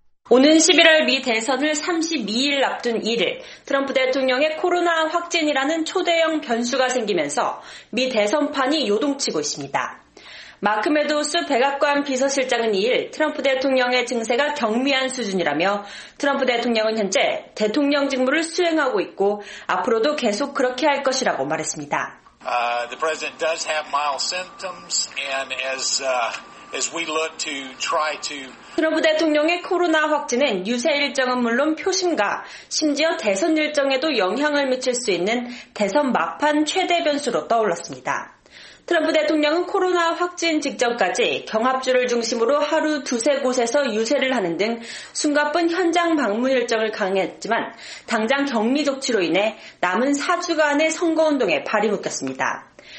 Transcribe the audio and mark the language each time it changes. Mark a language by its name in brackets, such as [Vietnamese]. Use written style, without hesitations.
[Korean] 오는 11월 미 대선을 32일 앞둔 이를 트럼프 대통령의 코로나 확진이라는 초대형 변수가 생기면서 미 대선판이 요동치고 있습니다. 마크 메도우스 백악관 비서실장은 2일 트럼프 대통령의 증세가 경미한 수준이라며 트럼프 대통령은 현재 대통령 직무를 수행하고 있고 앞으로도 계속 그렇게 할 것이라고 말했습니다. [English] The president does have mild symptoms and as we look to try to [Korean] 트럼프 대통령의 코로나 확진은 유세 일정은 물론 표심과 심지어 대선 일정에도 영향을 미칠 수 있는 대선 막판 최대 변수로 떠올랐습니다. 트럼프 대통령은 코로나 확진 직전까지 경합주를 중심으로 하루 두세 곳에서 유세를 하는 등 숨가쁜 현장 방문 일정을 강행했지만 당장 격리 조치로 인해 남은 4주간의 선거운동에 발이 묶였습니다.